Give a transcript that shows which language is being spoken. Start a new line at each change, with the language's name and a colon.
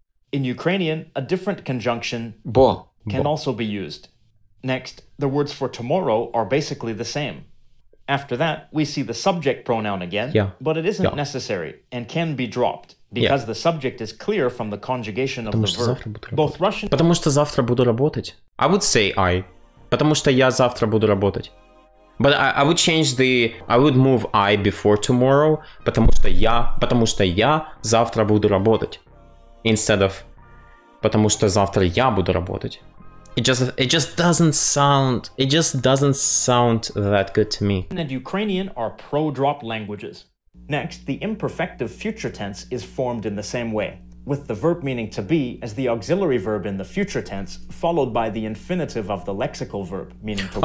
English: In Ukrainian, a different conjunction
Ukrainian: Бо.
English: Can Бо. Also be used. Next, the words for tomorrow are basically the same. After that, we see the subject pronoun again, but it isn't necessary and can be dropped because the subject is clear from the conjugation of the verb. Both Russian...
Russian: Потому что завтра буду работать.
English: I would say I...
Russian: Потому что я завтра буду работать.
English: But I would change the... I would move I before tomorrow.
Russian: Потому что я завтра буду работать.
English: Instead of...
Russian: Потому что завтра я буду работать.
English: It just doesn't sound that good to me. And Ukrainian are pro-drop languages. Next, the imperfective future tense is formed in the same way. with the verb meaning to be as the auxiliary verb in the future tense, followed by the infinitive of the lexical verb meaning to.